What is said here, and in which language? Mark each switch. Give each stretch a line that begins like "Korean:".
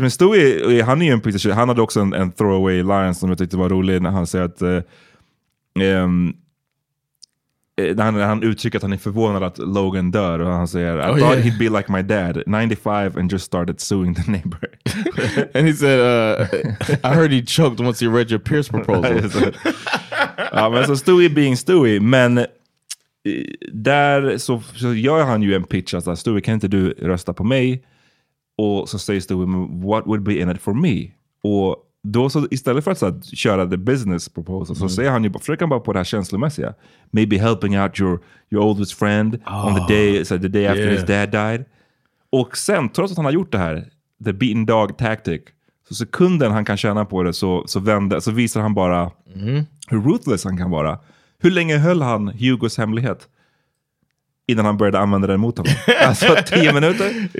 Swedish: Men Stewie, han är ju en
English: piece of shit.
Swedish: Han hade också en
English: throwaway line
Swedish: som jag tyckte var rolig när han säger att... när han uttrycker att han är förvånad att Logan dör. Och han säger,
English: I thought he'd be like my dad. 95 and just started suing the neighbor. And he said, I heard he choked once he read your Pierce proposal.
Swedish: Ja, men så Stewie
English: being Stewie,
Swedish: men... Där så gör han ju en pitch att alltså, Stewie, kan inte du rösta på mig? Och så säger
English: Stewie, what would be in it for me?
Swedish: Och då så istället för att så här, köra
English: the business proposal
Swedish: så säger han ju, försöker han bara på det här känslomässiga.
English: Maybe helping out your oldest friend on the day, so the day after his dad died.
Swedish: Och sen, trots att han har gjort det här,
English: the beaten dog tactic,
Swedish: så sekunden han kan tjäna på det så visar han bara hur ruthless han kan vara. Hur länge höll han Hugos hemlighet innan han började använda den mot honom? Alltså 10 minuter?